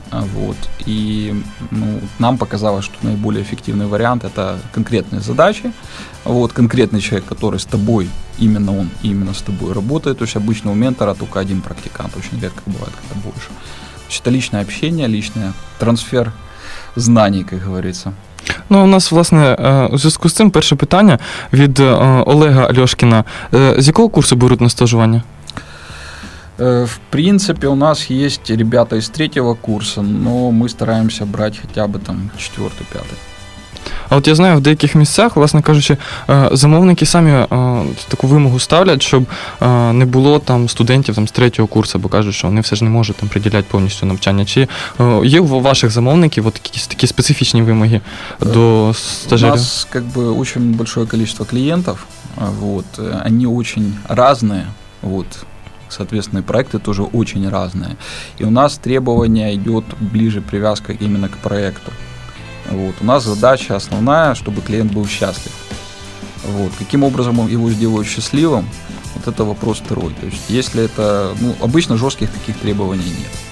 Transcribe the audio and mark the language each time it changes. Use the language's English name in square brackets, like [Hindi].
[Russian] Вот, и ну, нам показалось, что наиболее эффективный вариант – это конкретные задачи. Вот, конкретный человек, который с тобой, именно он, именно с тобой работает. То есть обычно у ментора только один практикант, очень редко бывает, когда больше. То есть это личное общение, личный трансфер знаний, как говорится. [Ukrainian] Ну, у нас, власне, у зв'язку з цим перше питання від Олега Альошкіна. З якого курсу беруть на стажування? В принципі, у нас є ребята із третього курсу, але ми стараємося брати хоча б там четвертий, п'ятий. А от я знаю, в деяких місцях, власне кажучи, замовники самі таку вимогу ставлять, щоб не було там студентів там, з третього курсу, бо кажуть, що вони все ж не можуть там приділяти повністю навчання. Чи є у ваших замовників от якісь такі специфічні вимоги до стажерів? [Russian] У нас как бы, [Ukrainian] дуже велике кількість клієнтів, вот, вони дуже різні, вот. [Russian] Соответственно, проекты тоже очень разные. И у нас требование идет ближе привязка именно к проекту. Вот. У нас задача основная, чтобы клиент был счастлив. Вот. Каким образом его сделают счастливым, вот это вопрос второй. То есть, если это, ну, обычно жестких таких требований нет.